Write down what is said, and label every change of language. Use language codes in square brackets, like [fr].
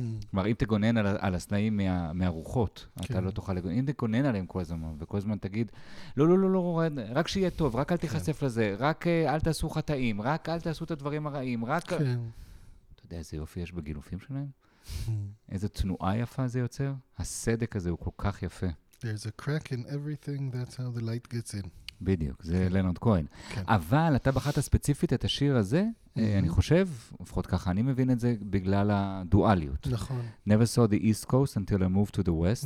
[he] כלומר, אם תגונן על הסלעים מהרוחות, אתה לא תוכל לגונן. אם תגונן עליהם כל הזמן, וכל הזמן תגיד, לא, לא, לא, לא, רק שיהיה טוב, רק אל תיחשף לזה, רק אל תעשו חטאים, רק אל תעשו את הדברים הרעים, רק... אתה יודע איזה יופי יש בגילופים שלהם? איזה תנועה יפה זה יוצר? הסדק הזה הוא כל כך יפה. [en] There's a crack in everything, that's how the light gets in. [he] בדיוק, זה לנרד כהן. אבל אתה בחרת ספציפית את השיר הזה, אני חושב, לפחות ככה אני מבין את זה, בגלל הדואליות. נכון. [en] Never saw the East Coast until I moved to the West.